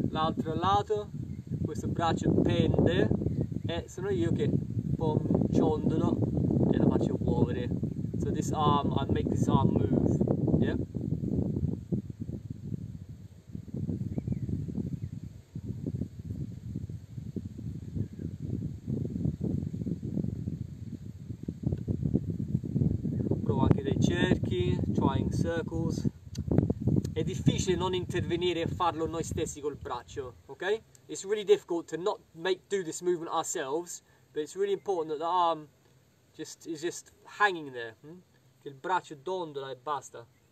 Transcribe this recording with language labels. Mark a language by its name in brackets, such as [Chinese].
[Italian] L'altro lato, questo braccio pende e sono io che pom ciondolo e la faccio muovere. [English] So this arm, I make this arm move, yeah? Provo anche dei cerchi, trying circles. [Italian] È difficile non intervenire e farlo noi stessi col braccio, ok? [English] It's really difficult to not make do this movement ourselves, but it's really important that the arm just is just hanging there, [Italian] Che il braccio dondola e basta.